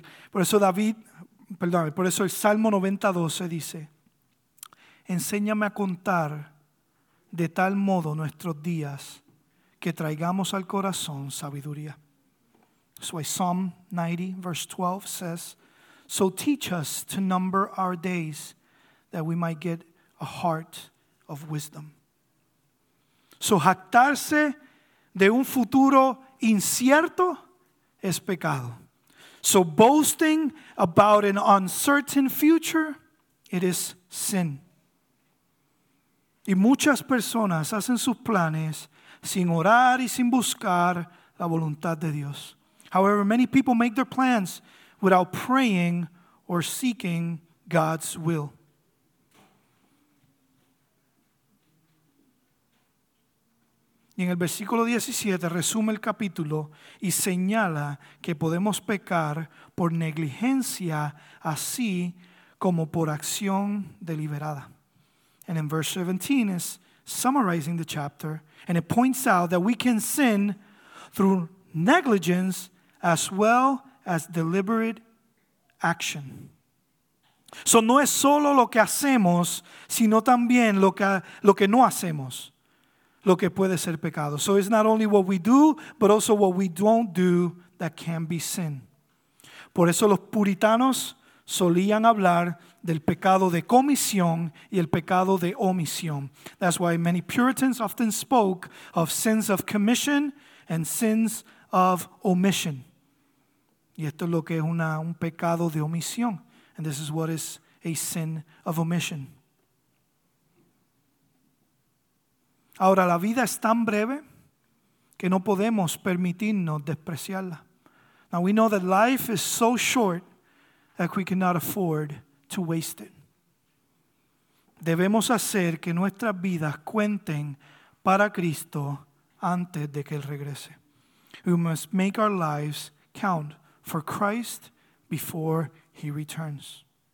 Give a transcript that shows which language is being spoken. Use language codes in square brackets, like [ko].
[es] Por eso el Salmo 90:12 dice: enséñame a contar de tal modo nuestros días que traigamos al corazón sabiduría. [en] So Psalm 90 verse 12 says, so teach us to number our days that we might get a heart of wisdom. [es] So jactarse de un futuro incierto es pecado. [en] So boasting about an uncertain future, it is sin. [es] Y muchas personas hacen sus planes sin orar y sin buscar la voluntad de Dios. [en] However, many people make their plans without praying or seeking God's will. [es] Y en el versículo 17 resume el capítulo y señala que podemos pecar por negligencia así como por acción deliberada. [en] And in verse 17 is summarizing the chapter, and it points out that we can sin through negligence as well as deliberate action. [es] So no es solo lo que hacemos, sino también lo que no hacemos, lo que puede ser pecado. [en] So it's not only what we do, but also what we don't do that can be sin. [es] Por eso los puritanos solían hablar del pecado de comisión y el pecado de omisión. [en] That's why many Puritans often spoke of sins of commission and sins of omission. [es] Y esto es lo que es un pecado de omisión. [en] And this is what is a sin of omission. [es] Ahora, la vida es tan breve que no podemos permitirnos despreciarla. [en] Now, we know that life is so short that we cannot afford to waste it. [es] Debemos hacer que nuestras vidas cuenten para Cristo antes de que Él regrese. [en] We must make our lives count for Christ before He returns.